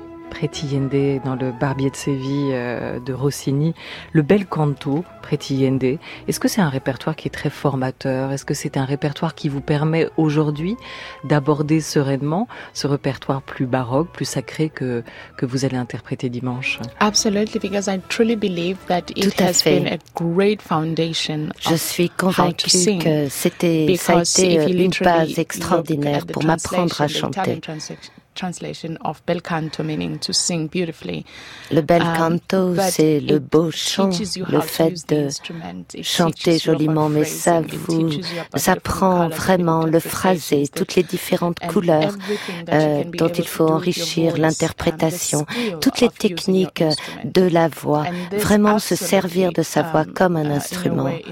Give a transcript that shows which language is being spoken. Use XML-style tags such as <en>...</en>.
<fr>Pretiende dans le Barbier de Séville de Rossini, le bel canto Pretiende. Est-ce que c'est un répertoire qui est très formateur? Est-ce que c'est un répertoire qui vous permet aujourd'hui d'aborder sereinement ce répertoire plus baroque, plus sacré que vous allez interpréter dimanche?</fr> <en>Absolutely, because I truly believe that it has been a great foundation.</en> <fr>Je suis convaincue que ça a été une base extraordinaire pour m'apprendre à chanter.</fr> <en>Translation of bel canto, meaning to sing beautifully.</en> <fr>Le bel canto, c'est le beau chant, le fait de chanter joliment, mais ça vous apprend vraiment le phrasé, toutes les différentes couleurs dont il faut enrichir l'interprétation, toutes les techniques de la voix, vraiment se servir de sa voix comme un instrument.</fr>